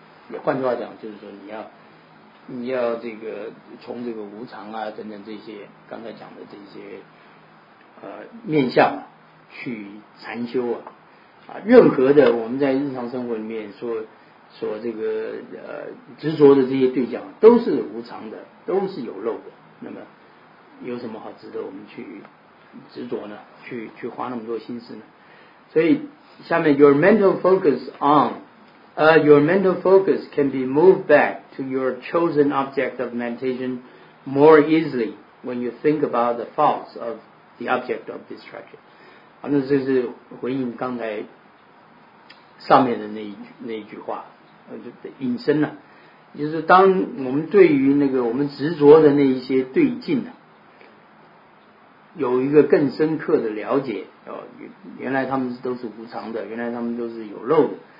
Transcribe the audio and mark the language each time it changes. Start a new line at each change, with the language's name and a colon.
Chinese: 也换句话讲，就是说你要这个从这个无常啊等等这些刚才讲的这些面相去禅修啊。啊，任何的我们在日常生活里面说这个执着的这些对象都是无常的，都是有漏的。那么有什么好值得我们去执着呢？去花那么多心思呢？所以下面
English: your mental focus can be moved back to your chosen object of meditation more easily when you think about the faults of the object of distraction。
Chinese: 好，那这是回应刚才上面的那一句话引申了，就是当我们对于那个我们执着的那一些对境呢，有一个更深刻的了解，原来他们都是无常的，原来他们都是有漏的。